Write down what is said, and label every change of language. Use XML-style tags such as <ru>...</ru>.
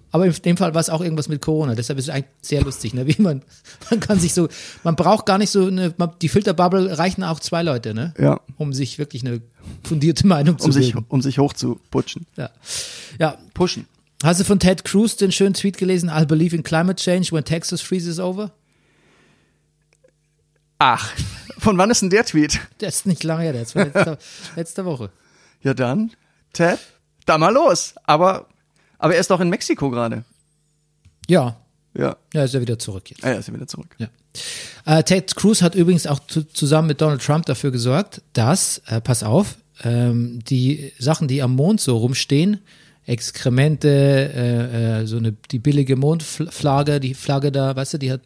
<de>Aber in dem Fall war es auch irgendwas mit Corona. Deshalb ist es eigentlich sehr lustig, ne? Wie man kann sich so, man braucht gar nicht so eine, die Filterbubble reichen auch zwei Leute, ne? Ja. Um sich wirklich eine fundierte Meinung zu bilden. Um sich hochzuputschen. Ja. Ja. Pushen. Hast du von Ted Cruz den schönen Tweet gelesen?</de> <en>I believe in climate change when Texas freezes over?</en> <de>Ach, von wann ist denn der Tweet? Der ist nicht lange her, der ist von letzter Woche. Ja dann, Ted, da mal los. Aber er ist doch in Mexiko gerade. Ja. Ja. Ja, ist er wieder zurück jetzt. Ja, ist er wieder zurück. Ja. Ted Cruz hat übrigens auch zusammen mit Donald Trump dafür gesorgt, dass, pass auf, die Sachen, die am Mond so rumstehen, Exkremente, so eine die billige Mondflagge, die Flagge da, weißt du, die hat</de>